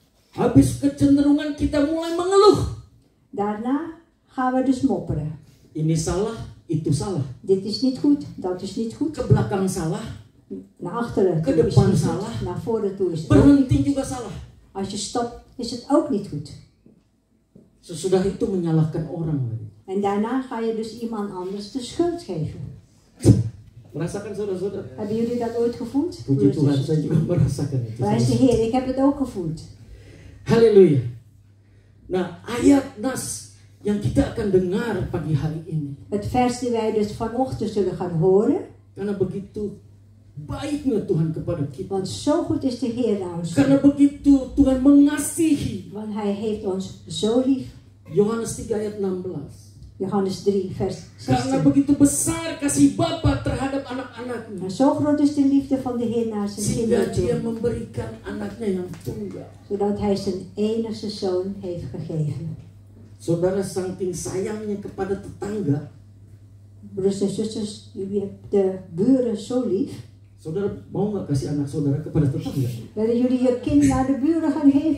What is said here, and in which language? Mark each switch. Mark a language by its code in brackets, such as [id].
[id] Habis kecenderungan kita mulai mengeluh. [nl] Daarna gaan we dus mopperen. [id] Ini salah, itu salah. [nl] Dit is niet goed, dat is niet goed. [id] Ke belakang salah. [nl] Naar achteren. [id] Ke depan salah. [nl] Naar voren toe is [id] het. Berhenti juga salah. [nl] Als je stopt, is het ook niet goed. [id] Sesudah itu menyalahkan orang lagi. [nl] En daarna ga je dus iemand anders de schuld geven. [id] Merasakan, saudara-saudara. [nl] Hebben jullie dat ooit gevoeld? [id] Puji Tuhan, saya juga merasakan itu. [nl] Prijs de Heer, ik heb het ook gevoeld. Haleluya. [id] Nah, ayat nas yang kita akan dengar pagi hari ini. [nl] Het vers die wij dus vanochtend zullen gaan horen. [id] Karena begitu baiknya Tuhan kepada kita. [nl] Want zo goed is de Heer aan ons. [id] Karena begitu Tuhan mengasihi. [nl] Want hij heeft ons zo lief. [id] Johannes 3 ayat 16. [nl] Johannes 3 vers 16. [id] Karena begitu besar kasih Bapa terhadap anak-anaknya. [nl] Zo groot is de liefde van de Heer naar zijn kinderen. [id] Sehingga dia memberikan anaknya yang tunggal. [nl] Zodat hij zijn enige zoon heeft gegeven. [id] Saudara, saking sayangnya kepada tetangga. [nl] Broers en zusters, jullie hebben de buren zo lief. [id] Saudara, mau gak kasih anak saudara kepada tetangga? [nl] Willen jullie je kind naar de buren gaan geven?